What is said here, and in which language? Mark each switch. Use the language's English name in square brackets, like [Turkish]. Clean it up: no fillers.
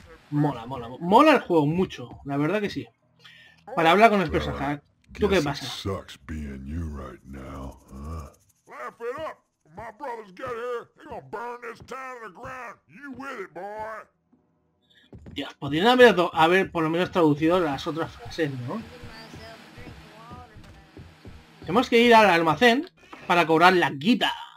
[Spanish] Mola, mola, mola el juego mucho, la verdad que sí. Para hablar con el personaje, ¿tú qué pasa? [English] Sucks being you right now, huh? Laugh it up. My brothers get here, they're gonna burn this town to the ground. You with it, boy? [Spanish] Dios, podrían haber por lo menos traducido las otras frases, ¿no? Tenemos que ir al almacén para cobrar la guita.